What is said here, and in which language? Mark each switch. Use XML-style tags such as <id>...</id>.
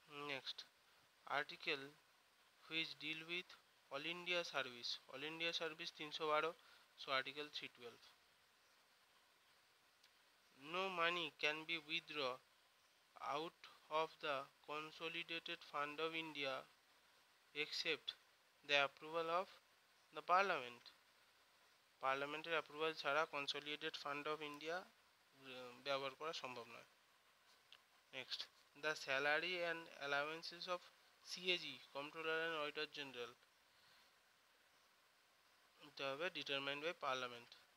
<en>Next, article which deal with all India service, all India service 312, so article 312। No money can be withdraw out of the consolidated fund of India except the approval of the parliament.</en> <bn>পার্লামেন্টের approval ছাড়া consolidated fund of India ব্যবহার করা সম্ভব নয়।</bn> <en>next, the salary and allowances of CAG controller and auditor general</en> <bn>হতে হবে</bn> <en>Determined by parliament.</en>